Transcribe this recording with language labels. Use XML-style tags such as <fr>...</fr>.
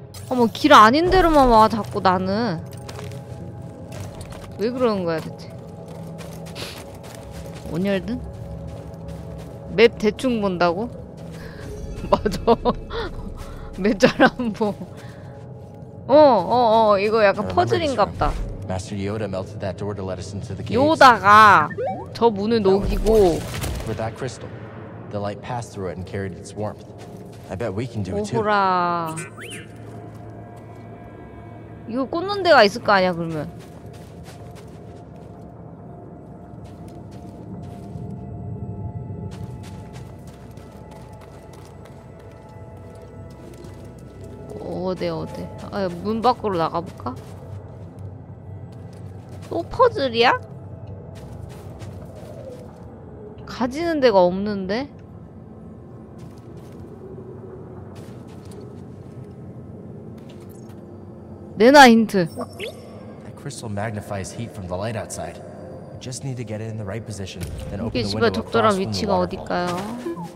<ko>어머, 길 아닌 데로만 와 자꾸. 나는 왜 그러는 거야 대체? 온열등? 맵 대충 본다고? 맞아. 맵 잘 안 보. 어, 이거 약간 퍼즐인갑다.</ko> <en>Master Yoda melted that door to let us into the cave.</en> <ko>Yoda가 저 문을 녹이고.</ko> <en>With that crystal, the light passed through it and carried its warmth. I bet we can do it too.</en> <ko>오호라. 이거 꽂는 데가 있을 거 아니야 그러면. 어디 어디? 아, 문 밖으로 나가볼까? 또 퍼즐이야? 가지는 데가 없는데? 내놔 힌트.</ko> <en>That crystal magnifies heat from the light outside. We just need to get it in the right position, then open the window.</en> <ko>적절한 위치가 어디일까요?</ko>